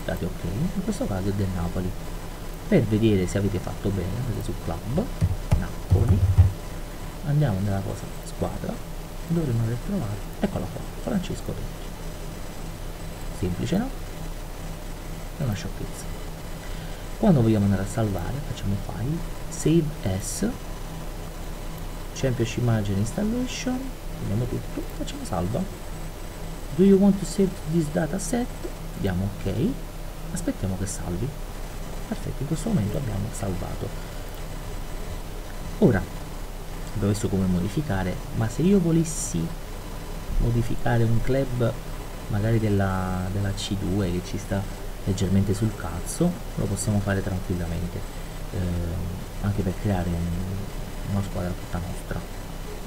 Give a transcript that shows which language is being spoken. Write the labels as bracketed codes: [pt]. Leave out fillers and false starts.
[it] Date ok, in questo caso è del Napoli. Per vedere se avete fatto bene, andate su Club, Napoli, andiamo nella vostra squadra, dovremmo aver trovato, eccolo qua, Francesco Totti. Semplice, no? È una sciocchezza. Quando vogliamo andare a salvare, facciamo File, Save As, Championship Manager Installation, prendiamo tutto, facciamo salva. [en] Do you want to save this dataset? [it] Diamo ok, aspettiamo che salvi. Perfetto, in questo momento abbiamo salvato. Ora, abbiamo visto come modificare, ma se io volessi modificare un club, magari della C2 che ci sta leggermente sul cazzo, lo possiamo fare tranquillamente, anche per creare una squadra tutta nostra.